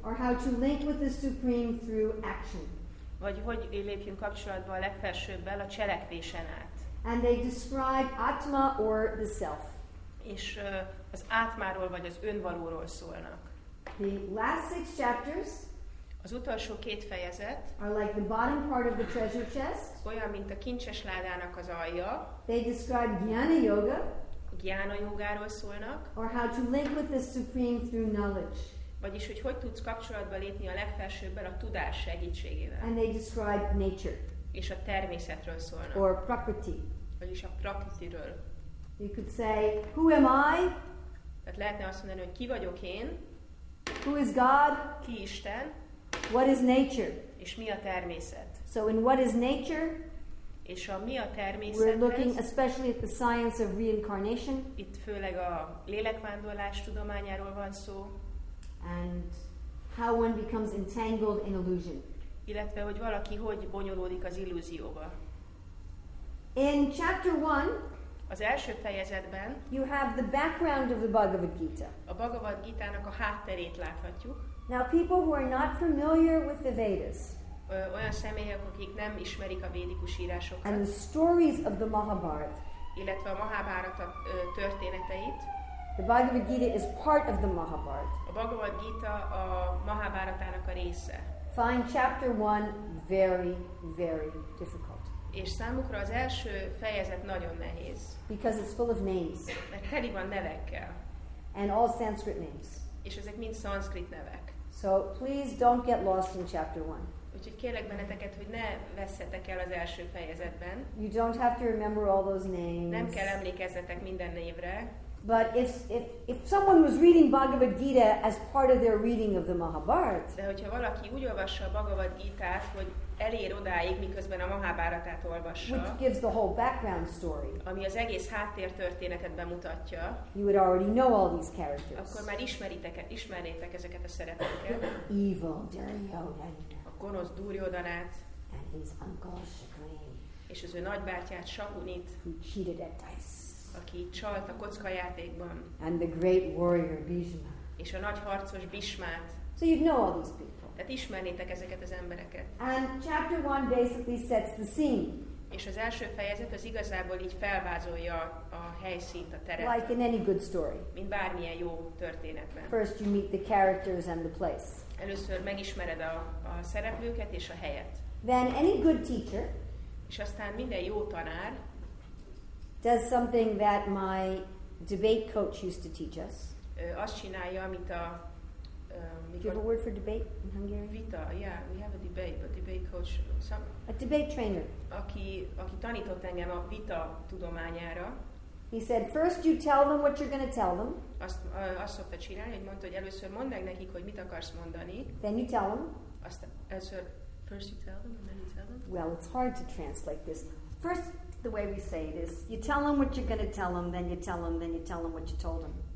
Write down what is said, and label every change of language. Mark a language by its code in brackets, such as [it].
[en] Or how to link with the supreme through action. [hu] Vagy hogy lépjünk kapcsolatba a legfelsőbbel, a cselekvésen át. [en] And they describe atma or the self. [hu] És az átmáról vagy az önvalóról szólnak. [en] The last six chapters. [hu] Az utolsó két fejezet [en] are like the bottom part of the treasure chest. [hu] Olyan, mint a kincses ládának az alja. [en] They describe jnana yoga. [hu] Gyána jogáról szólnak. [en] Or how to link with the supreme through knowledge. [hu] Vagyis, hogy tudsz kapcsolatba lépni a legfelsőbben a tudás segítségével. [en] And they describe nature. [hu] És a természetről szólnak. [en] Or prakriti. [hu] Vagyis a prakritiről. [en] You could say, who am I? [hu] Tehát lehetne azt mondani, hogy ki vagyok én? [en] Who is God? [hu] Ki Isten? [en] What is nature? [hu] És mi a természet? [en] So in what is nature? [hu] És a mi a természet? [en] We're looking especially at the science of reincarnation. [hu] Itt főleg a lélekvándorlás tudományáról van szó. [en] And how one becomes entangled in illusion. [hu] Illetve, hogy valaki hogy bonyolódik az illúzióba. [en] In chapter 1, [hu] az első fejezetben, [en] you have the background of the Bhagavad Gita. [hu] A Bhagavad Gita-nak a hátterét láthatjuk. [en] Now people who are not familiar with the Vedas. [hu] Olyan személyek, akik nem ismerik a védikus írásokat. [en] And the stories of the Mahabharata. [hu] Illetve a Mahabharata történeteit. [en] The Bhagavad Gita is part of the Mahabharata. [hu] A Bhagavad Gita a Mahabharatának a része. [en] Find chapter 1 very, very difficult. [hu] És számukra az első fejezet nagyon nehéz. [en] Because it's full of names. [hu] Mert teli van nevekkel. [en] And all Sanskrit names. [hu] És ezek mind szanszkrit nevek. [en] So please don't get lost in chapter 1. [hu] Úgyhogy kérlek benneteket, hogy ne vesszetek el az első fejezetben. [en] You don't have to remember all those names. [hu] Nem kell emlékezzetek minden névre. [en] But if someone was reading Bhagavad Gita as part of their reading of the Mahabharata. [hu] De hogyha valaki úgy olvassa a Bhagavad Gita-t, hogy elér odáig, miközben a Mahabharatát olvassa. [en] Which gives the whole background story. [hu] Ami az egész háttértörténetet bemutatja. [en] You would already know all these characters. [hu] Akkor már ismernétek ezeket a szerepeket. [en] Evil Duryodhan. [hu] Gonosz Duryodhanát, [en] and his uncle Shakuni, [hu] és az ő nagybátyját Shakunit, [en] who cheated at dice, [hu] aki csalt a kockajátékban, [en] and the great warrior Bhishma, [hu] és a nagy harcos Bhishmát. [en] So you'd know all these people. [hu] Tehát ismernétek ezeket az embereket. [en] And chapter 1 basically sets the scene. [hu] És az első fejezet az igazából így felvázolja a helyszínt, a teret. [en] Like in any good story. [hu] Mint bármilyen jó történetben. [en] First you meet the characters and the place. [hu] Először megismered a szereplőket és a helyet. [en] Then any good teacher. [hu] És aztán minden jó tanár. [en] Does something that my debate coach used to teach us. [hu] Azt csinálja, amit a... [en] Do you have a word for debate in Hungarian? Vita, yeah, we have a debate, but debate coach, some... A debate trainer. [hu] Aki tanított engem a vita tudományára. [en] He said, first you tell them what you're going to tell them. [hu] Azt szokta csinálni, hogy mondta, hogy először mondd meg nekik, hogy mit akarsz mondani. [en] Then you tell them. First you tell them, and then you tell them. Well, it's hard to translate this. First, the way we say it is, you tell them what you're going to tell them, then you tell them, then you tell them what you told them.